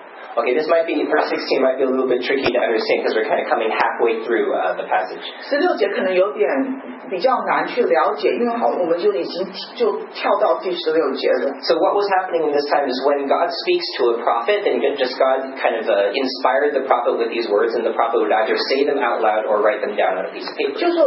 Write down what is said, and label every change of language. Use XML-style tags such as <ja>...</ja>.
<en>Okay, this might be, verse 16 might be a little bit tricky to understand because we're kind of coming halfway through the passage.</en> <zh>16节可能有点比较难去了解，因为好，我们就已经就跳到第16节了。So</zh> <en>what was happening in this time is when God speaks to a prophet, and just God kind of inspired the prophet with these words, and the prophet would either say them out loud or write them down on a piece of paper.</en>